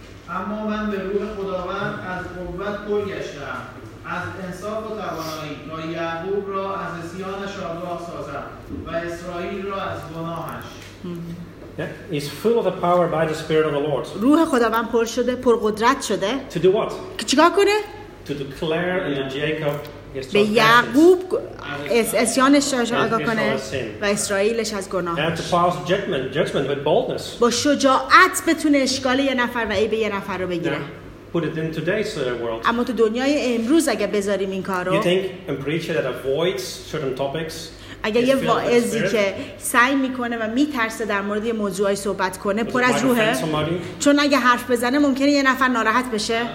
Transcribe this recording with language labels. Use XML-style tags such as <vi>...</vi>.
<fa>اما من به روح خداوند از قوت پر گشتم از انصاف و توانایی تا یعقوب را از زیانش آگاه سازم و اسرائیل را از گناهش.</fa> <en>Yeah, is full of the power by the Spirit of the Lord.</en> <fa>روح خداوند پر شده، پر قدرت شده.</fa> <en>To do what?</en> <fa>که چیکار کنه؟</fa> <en>To declare and to Jacob his trespasses.</en> <fa>به یعقوب اسیانش را آگاه کنه و اسرائیلش از گناه.</fa> <en>And to pass judgment with boldness.</en> <fa>با شجاعت بتونه اشکال یه نفر و عیب یه نفر رو بگیره.</fa> <en>Put it in today's world.</en> <fa>اما تو دنیای امروز اگه بذاریم این کارو.</fa> <en>You think a preacher that avoids certain topics?</en> <fa>اگه یه واعظی که سعی میکنه و میترسه در مورد یه موضوعی صحبت کنه پر از روحه، چون اگه حرف بزنه ممکنه یه نفر ناراحت بشه.</fa>